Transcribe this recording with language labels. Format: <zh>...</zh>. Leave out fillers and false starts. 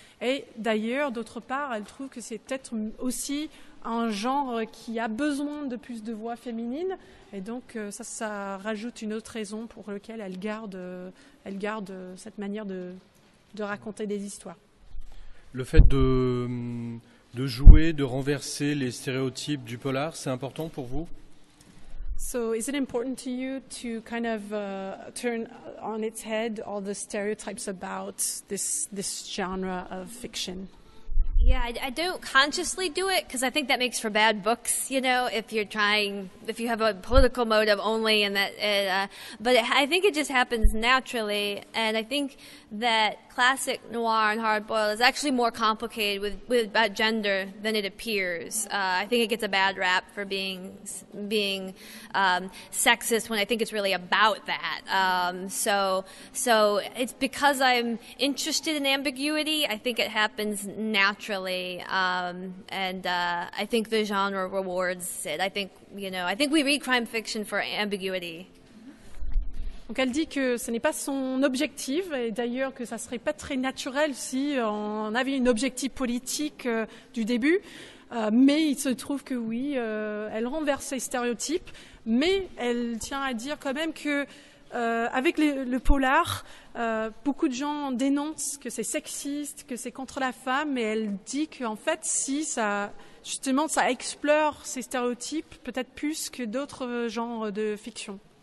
<fr>Et d'ailleurs, d'autre part, elle trouve que c'est peut-être aussi un genre qui a besoin de plus de voix féminines, et donc ça rajoute une autre raison pour laquelle elle garde cette manière de raconter des histoires. Le fait de jouer, de renverser les stéréotypes du polar, c'est important pour vous?</fr> <en>So is it important to you to kind of turn on its head all the stereotypes about this genre of fiction? Yeah, I don't consciously do it because I think that makes for bad books, you know, if you have a political motive only and that. I think it just happens naturally. And I think that classic noir and hardboiled is actually more complicated about gender than it appears. I think it gets a bad rap for being sexist when I think it's really about that. So it's because I'm interested in ambiguity, I think it happens naturally. I think the genre rewards it. I think, you know, I think we read crime fiction for ambiguity.</en> <fr>Donc elle dit que ce n'est pas son objectif, et d'ailleurs que ça ne serait pas très naturel si on avait un objectif politique du début. Mais il se trouve que oui, elle renverse ses stéréotypes, mais elle tient à dire quand même que avec le polar, beaucoup de gens dénoncent que c'est sexiste, que c'est contre la femme, et elle dit qu'en fait, si ça, justement, ça explore ces stéréotypes peut-être plus que d'autres genres de fiction.</fr>